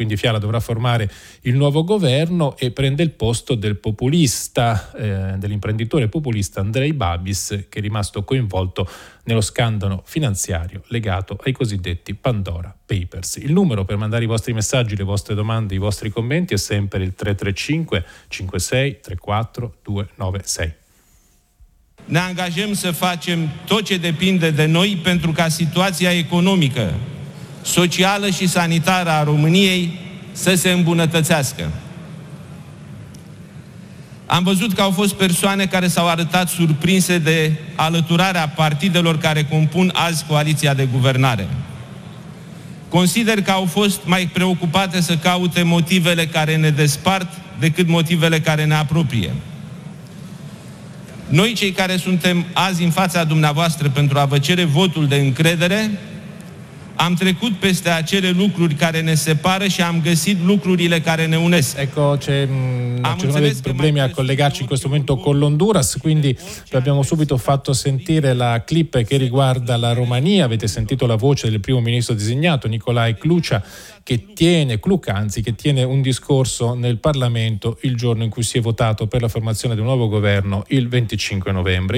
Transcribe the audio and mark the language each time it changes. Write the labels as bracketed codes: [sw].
[it] Quindi Fiala dovrà formare il nuovo governo e prende il posto del populista, dell'imprenditore populista Andrei Babis, che è rimasto coinvolto nello scandalo finanziario legato ai cosiddetti Pandora Papers. Il numero per mandare i vostri messaggi, le vostre domande, i vostri commenti è sempre il 335-56-34-296. [ro] Ne angajăm să facem tot ce depinde de noi pentru ca situația economică, socială și sanitară a României să se îmbunătățească. Am văzut că au fost persoane care s-au arătat surprinse de alăturarea partidelor care compun azi coaliția de guvernare. Consider că au fost mai preocupate să caute motivele care ne despart decât motivele care ne apropie. Noi, cei care suntem azi în fața dumneavoastră pentru a vă cere votul de încredere, am trecut peste acele lucruri care ne separă și am găsit lucrurile care ne unesc. [it] Ecco, c'è uno dei problemi a collegarci in questo momento con l'Honduras, quindi abbiamo subito fatto sentire la clip che riguarda la Romania. Avete sentito la voce del primo ministro designato, Nicolae Clucea, che tiene un discorso nel Parlamento il giorno in cui si è votato per la formazione di un nuovo governo, il 25 novembre.